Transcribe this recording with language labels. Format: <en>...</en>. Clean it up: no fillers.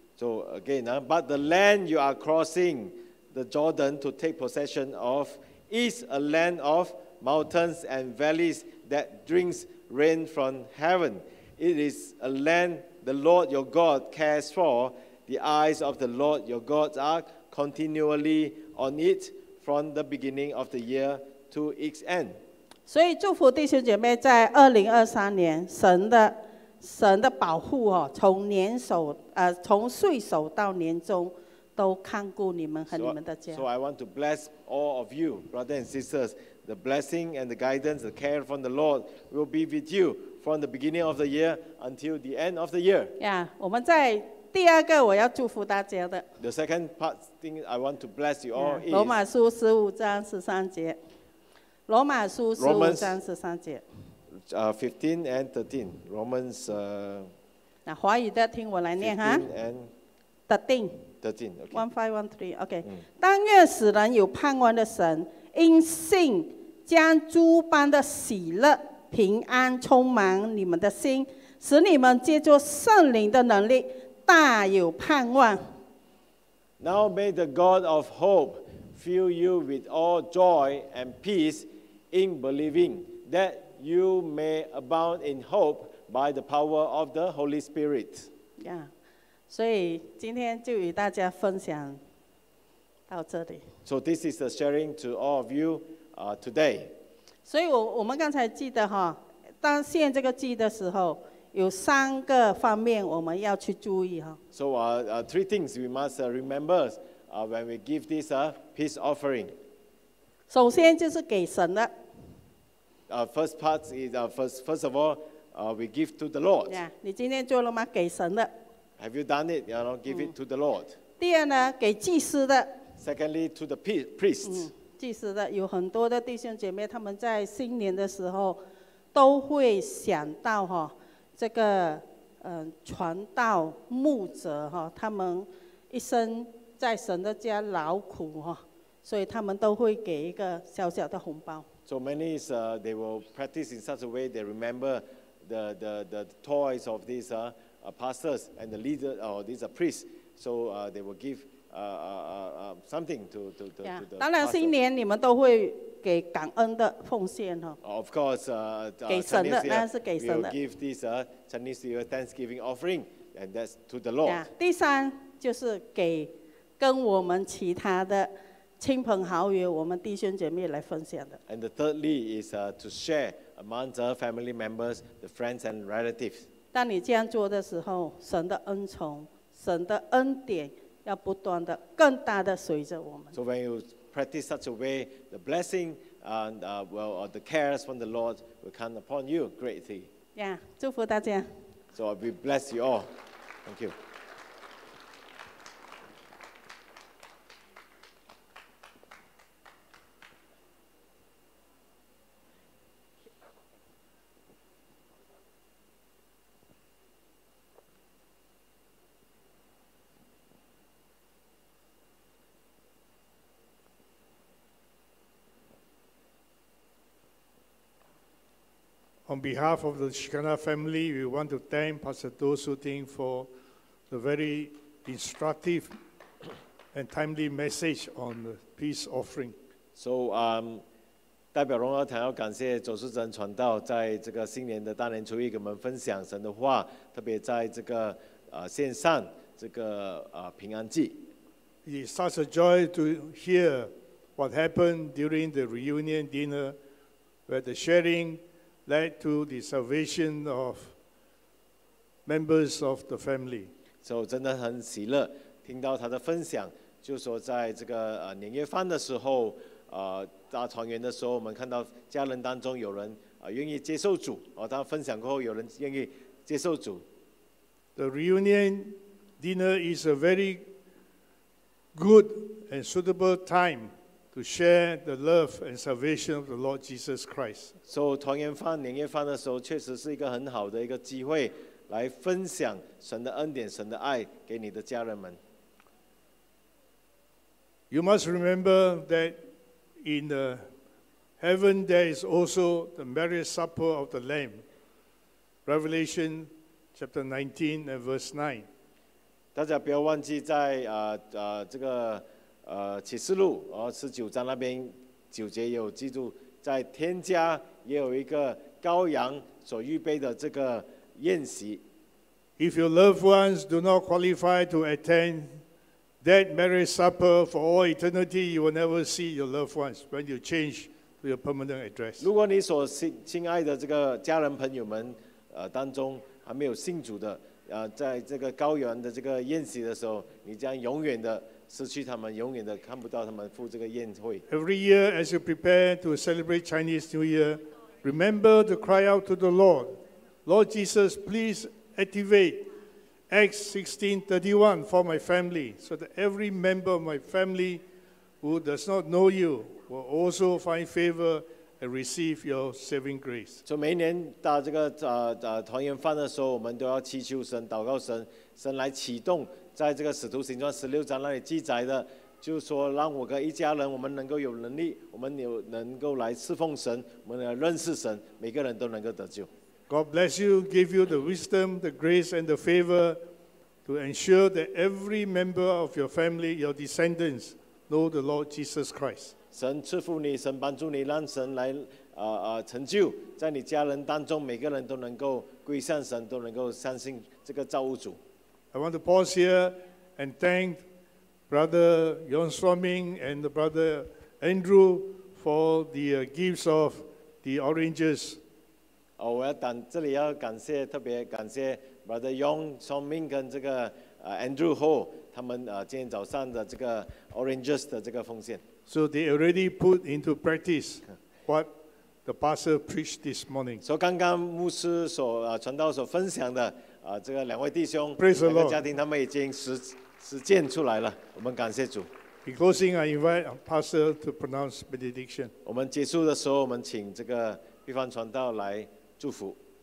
<en>So again, but the land you are crossing the Jordan to take possession of is a land of mountains and valleys that drinks. Rain from heaven. It is a land the Lord your God cares for. The eyes of the Lord your God are continually on it from the beginning of the year to its end.</en> <zh>所以祝福弟兄姐妹在2023年神的保护哦，从年首从岁首到年终都看顾你们和你们的家。</zh> <en>So I want to bless all of you, brothers and sisters. The blessing and the guidance, the care from the Lord will be with you from the beginning of the year until the end of the year.</en> <zh>Yeah, 我们在第二个我要祝福大家的。</zh> <en>The second part thing I want to bless you all is.</en> <zh>罗马书十五章十三节。罗马书十五章十三节。</zh> <en>15 and 13. Romans.</en> <zh>那华语的听我来念哈。</zh> <en>15 and 13. Okay.</en> <zh>1513. Okay. 但愿使人有盼望的神。因信将诸般的喜乐平安充满你们的心，使你们借着圣灵的能力大有盼望。</zh> <en>Now may the God of hope fill you with all joy and peace in believing, that you may abound in hope by the power of the Holy Spirit.</en> <zh>Yeah, 所以今天就与大家分享到这里。</zh> <en>So this is the sharing to all of you today.</en> <zh>所以我们刚才记得哈，当献这个祭的时候，有三个方面我们要去注意哈。</zh> <en>So three things we must remember when we give this peace offering.</en> <zh>首先就是给神的。</zh> <en>First part is first of all, we give to the Lord.</en> <zh>Yeah, 你今天做了吗？给神的。</zh> <en>Have you done it? You know, give it to the Lord.</en> <zh>第二呢，给祭司的。</zh> <en>Secondly, to the priests.</en> <zh>祭司的有很多的弟兄姐妹，他们在新年的时候都会想到哈，这个传道牧者哈，他们一生在神的家劳苦哈，所以他们都会给一个小小的红包。</zh> <en>So many is they will practice in such a way they remember the toys of these pastors and the leader or these priests. So they will give. Something to the pastor.</en> <zh>当然，新年你们都会给感恩的奉献哈。</zh> <en>Of course,</en> <zh>给神的，那是给神的。</zh> <en>We will give this Chinese year Thanksgiving offering, and that's to the Lord.</en> <zh>第三就是给跟我们其他的亲朋好友、我们弟兄姐妹来分享的。</zh> <en>And thirdly is to share among the family members, the friends and relatives.</en> <zh>当你这样做的时候，神的恩宠、神的恩典。要不断的、更大的随着我们。</zh> <en>So when you practice such a way, the blessing and the cares from the Lord will come upon you greatly.</en> <zh>Yeah, 祝福大家。</zh> <en>So we bless you all. Thank you. On behalf of the Shekinah family, we want to thank Pastor Do Su Ting for the very instructive and timely message on the peace offering.</en> <zh>So, 代表荣耀堂要感谢左淑珍传道在这个新年的大年初一给我们分享神的话，特别在这个线上这个平安祭。</zh> <en>It's such a joy to hear what happened during the reunion dinner, where the sharing. Led to the salvation of members of the family.</en> <zh>So, 真的很喜乐听到他的分享，就说在这个年夜饭的时候，大团圆的时候，我们看到家人当中有人愿意接受主，他分享过后，有人愿意接受主。</zh> <en>The reunion dinner is a very good and suitable time. To share the love and salvation of the Lord Jesus Christ.</en> <zh>So, 团圆饭年夜饭的时候，确实是一个很好的一个机会来分享神的恩典、神的爱给你的家人们。</zh> <en>You must remember that in the heaven there is also the marriage supper of the Lamb, Revelation chapter 19 and verse 9.</en> <zh>大家不要忘记在这个。启示录十九章那边九节有记住，在天家也有一个羔羊所预备的这个宴席。</zh> <en>If your loved ones do not qualify to attend that marriage supper for all eternity, you will never see your loved ones when you change to your permanent address.</en> <zh>如果你所亲爱的这个家人朋友们当中还没有信主的在这个羔羊的这个宴席的时候，你将永远的。失去他们，永远的看不到他们赴这个宴会。</zh> <en>Every year, as you prepare to celebrate Chinese New Year, remember to cry out to the Lord, Lord Jesus, please activate Acts 16:31 for my family, so that every member of my family who does not know you will also find favor and receive your saving grace.</en> <zh>所以每年到这个团圆饭的时候，我们都要祈求神、祷告神，神来启动。在这个《使徒行传》十六章那里记载的，就是说让我跟一家人，我们能够有能力，我们有能够来侍奉神，我们来认识神，每个人都能够得救。</zh> <en>God bless you, give you the wisdom, the grace, and the favor to ensure that every member of your family, your descendants, know the Lord Jesus Christ.</en> <zh>神赐福你，神帮助你，让神来成就在你家人当中，每个人都能够归向神，都能够相信这个造物主。</zh> <en>I want to pause here and thank Brother Yon Swaming and the Brother Andrew for the gifts of the oranges.</en> <zh>Oh, 我要感这里要感谢特别感谢 Brother Yon Swaming 跟这个Andrew Ho 他们今天早上的这个 oranges 的这个奉献。</zh> <en>So they already put into practice what the pastor preached this morning.</en> <zh>所以刚刚牧师所传道所分享的。这个两位弟兄</zh> <en>Praise</en> <zh>两个家庭他们已经 实践出来了，我们感谢主。</zh> <en>In closing, I invite Pastor to pronounce benediction.</en> <zh>我们结束的时候，我们请这个毕方传道来祝福。</zh>